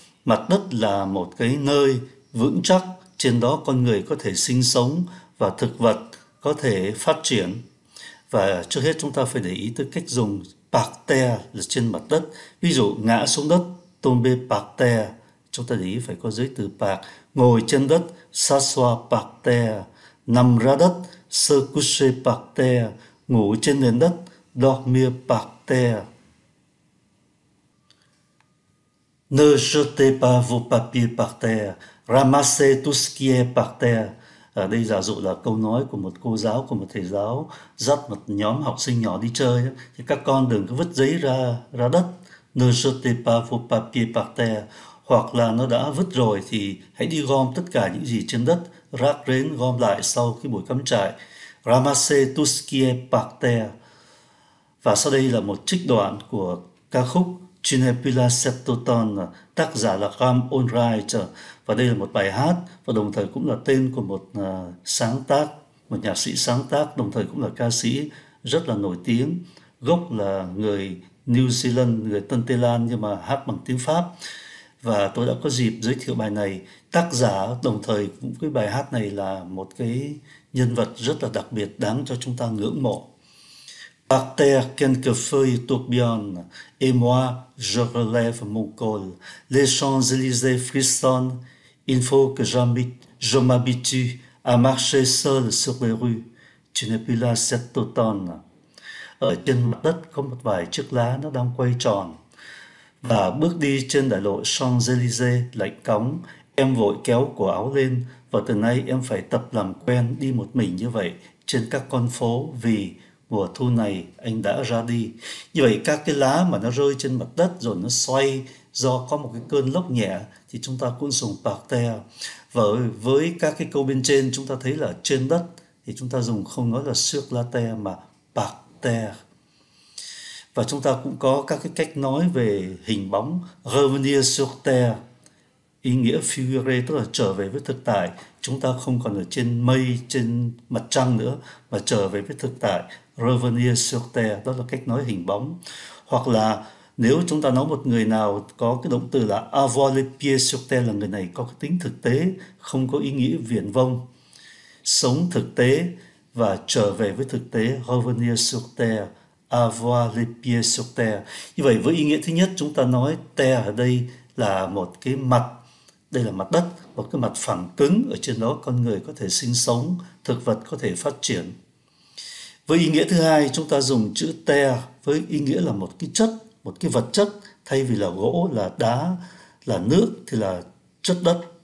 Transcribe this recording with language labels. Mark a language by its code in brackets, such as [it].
[vi] Mặt đất là một cái nơi vững chắc, trên đó con người có thể sinh sống và thực vật có thể phát triển. Và trước hết chúng ta phải để ý tới cách dùng par terre là trên mặt đất. Ví dụ ngã xuống đất, [fr] tomber par terre, [vi] chúng ta để ý phải có giới từ par. Ngồi trên đất, [fr] s'asseoir par terre. [vi] Nằm ra đất, [fr] se coucher par terre. [vi] Ngủ trên nền đất, [fr] dormir par terre. Ne jetez pas vos papiers par terre, ramassez tout ce qui est par terre. [vi] Ở đây giả dụ là câu nói của một cô giáo, của một thầy giáo dắt một nhóm học sinh nhỏ đi chơi, thì các con đừng có vứt giấy ra đất. [fr] Ne jetez pas vos papiers par terre. [vi] Hoặc là nó đã vứt rồi thì hãy đi gom tất cả những gì trên đất, rác rến gom lại sau khi buổi cắm trại. [fr] Ramassez tout ce qui est par terre. [vi] Và sau đây là một trích đoạn của ca khúc Je ne puis la cette automne, tác giả là Graham Allwright, và đây là một bài hát và đồng thời cũng là tên của một sáng tác, một nhạc sĩ sáng tác đồng thời cũng là ca sĩ rất là nổi tiếng, gốc là người New Zealand, người Tân Tây Lan nhưng mà hát bằng tiếng Pháp. Và tôi đã có dịp giới thiệu bài này, tác giả đồng thời cũng với bài hát này là một cái nhân vật rất là đặc biệt đáng cho chúng ta ngưỡng mộ. [fr] Par terre, quelques feuilles tourbillonnent, et moi, je relève mon col. Les Champs-Élysées frissonnent, il faut que je m'habitue à marcher seul sur les rues. Tu n'es plus là cet automne. [vi] Ở trên mặt đất có một vài chiếc lá nó đang quay tròn. Và bước đi trên đại lộ Champs-Élysées lạnh cóng, em vội kéo cổ áo lên, và từ nay em phải tập làm quen đi một mình như vậy trên các con phố vì mùa thu này anh đã ra đi. Như vậy các cái lá mà nó rơi trên mặt đất rồi nó xoay do có một cái cơn lốc nhẹ thì chúng ta cũng dùng parterre. Và với các cái câu bên trên chúng ta thấy là trên đất thì chúng ta dùng không nói là [fr] sur la terre [vi] mà parterre. Và chúng ta cũng có các cái cách nói về hình bóng, [fr] revenir sur terre, [vi] ý nghĩa figuré tức là trở về với thực tại. Chúng ta không còn ở trên mây, trên mặt trăng nữa mà trở về với thực tại. [fr] Revenir sur terre, [vi] đó là cách nói hình bóng. Hoặc là nếu chúng ta nói một người nào có cái động từ là [fr] avoir les pieds sur terre [vi] là người này có cái tính thực tế, không có ý nghĩa viển vông, sống thực tế và trở về với thực tế. [fr] Revenir sur terre, avoir les pieds sur terre. [vi] Như vậy với ý nghĩa thứ nhất chúng ta nói terre ở đây là một cái mặt, đây là mặt đất, một cái mặt phẳng cứng ở trên đó con người có thể sinh sống, thực vật có thể phát triển. Với ý nghĩa thứ hai, chúng ta dùng chữ terre với ý nghĩa là một cái chất, một cái vật chất, thay vì là gỗ, là đá, là nước, thì là chất đất.